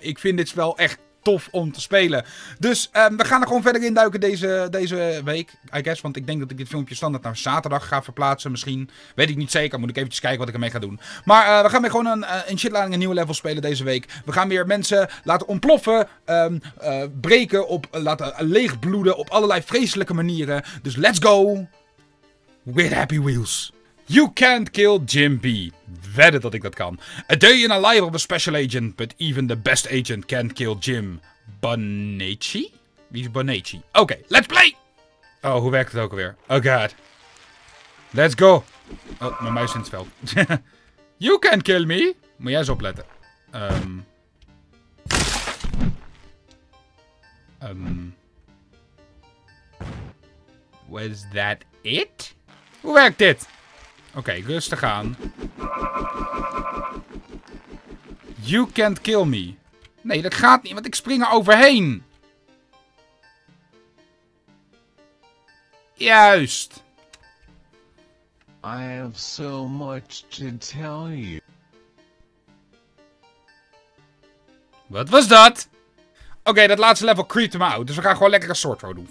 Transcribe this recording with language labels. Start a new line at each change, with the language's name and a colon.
Dutch: Ik vind dit spel echt tof om te spelen. Dus we gaan er gewoon verder in duiken deze week,
English: I guess.
Dutch: Want ik denk dat ik dit filmpje standaard naar zaterdag ga verplaatsen misschien. Weet ik niet zeker, moet ik eventjes kijken wat ik ermee ga doen. Maar we gaan weer gewoon een shitlading een nieuwe level spelen deze week. We gaan weer mensen laten ontploffen, breken, op laten leegbloeden op allerlei vreselijke manieren.
English: Dus let's go with Happy Wheels. You can't kill Jim B.
Dutch: Wedden dat ik dat kan.
English: A day in a life of a special agent, but even the best agent can't kill Jim.
Dutch: Bonacci? Wie is Bonacci? Oké,
English: let's play!
Dutch: Oh, hoe werkt het ook alweer?
English: Oh god. Let's go.
Dutch: Oh, mijn muis in het veld.
English: You can't kill me.
Dutch: Moet jij eens opletten.
English: Was that it?
Dutch: Hoe werkt dit? Oké, okay, rustig aan.
English: You can't kill me.
Dutch: Nee, dat gaat niet, want ik spring er overheen. Juist.
English: I have so much to tell you.
Dutch: Wat was dat? Oké, okay, dat laatste level
English: creeped me out.
Dutch: Dus we gaan gewoon lekker een sword throw doen.